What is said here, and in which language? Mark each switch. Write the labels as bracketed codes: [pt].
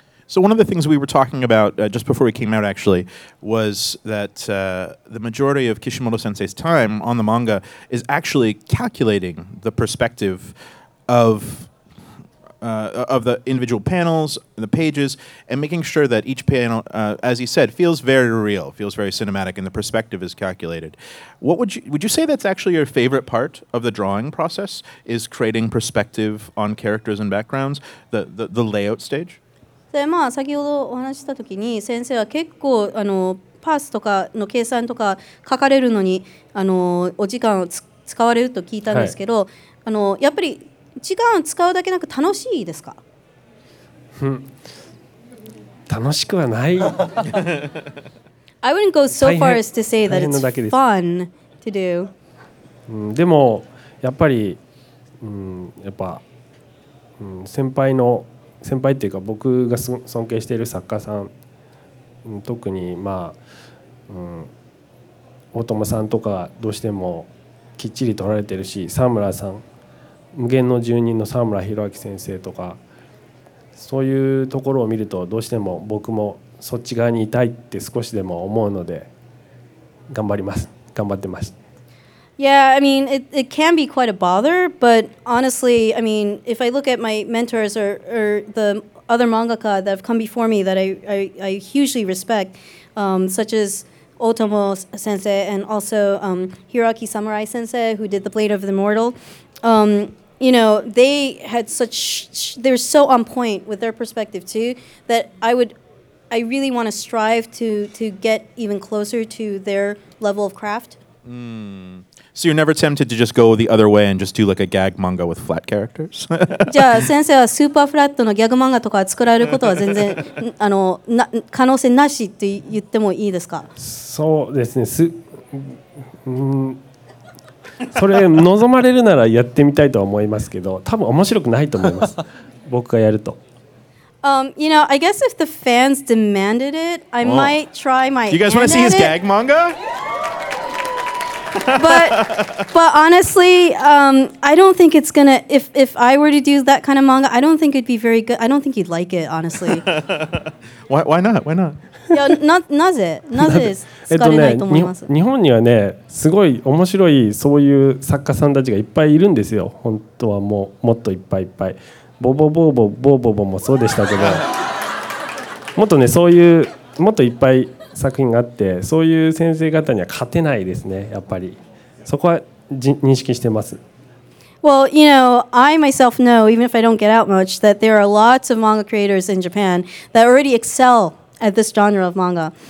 [en] So one of the things we were talking about just before we came out, actually, was that the majority of Kishimoto Sensei's time on the manga is actually calculating the perspective of the individual panels, the pages, and making sure that each panel, as he said, feels very real, feels very cinematic, and the perspective is calculated. What would you say that's actually your favorite part of the drawing process, is creating perspective on characters and backgrounds, the layout stage? [ja] でまあ、先ほどお話したときに先生は結構あのパースとかの計算とか書かれるのにあのお時間を使われると聞いたんですけど、はい、あのやっぱり時間を使うだけなく楽しいですか？楽しくはない。 [en] I wouldn't go so far as to say that it's fun to do. [ja] でもやっぱり、やっぱ、先輩の先輩っていうか僕が尊敬している作家さん、特にまあ、大友さんとかどうしてもきっちり撮られてるし、沢村さん、無限の住人の沢村博明先生とか、そういうところを見るとどうしても僕もそっち側にいたいって少しでも思うので頑張ります。頑張ってます。 [en] Yeah, I mean, it can be quite a bother, but honestly, I mean, if I look at my mentors or the other mangaka that have come before me that I hugely respect, such as Otomo Sensei and also Hiroaki Samurai Sensei, who did The Blade of the Immortal, you know, they had such, they're so on point with their perspective too, that I really want to strive to get even closer to their level of craft. Mm. So you're never tempted to just go the other way and just do like a gag manga with flat characters? [ja] じゃあ先生はスーパーフラットのギャグ漫画とか作られることは全然あのな可能性なしって言ってもいいですか？そうですね。それ望まれるならやってみたいとは思いますけど、多分面白くないと思います。僕がやると。 [en] You know, I guess if the fans demanded it, I might try my. You guys want to see his gag manga? but honestly, I don't think it's gonna. If I were to do that kind of manga, I don't think it'd be very good. I don't think you'd like it, honestly. Why not? Why not? [ja] Yeah, なぜ使えないと思います。日本にはね、すごい面白いそういう作家さんたちがいっぱいいるんですよ。本当はもうもっといっぱいいっぱい。ボボボボボボボもそうでしたけど、もっとねそういうもっといっぱい。作品があって、そういう先生方には勝てないですね、やっぱり。そこは認識してます。 [en] Well, you know, I myself know, even if I don't get out much, that there are lots of manga creators in Japan that already excel at this genre of manga.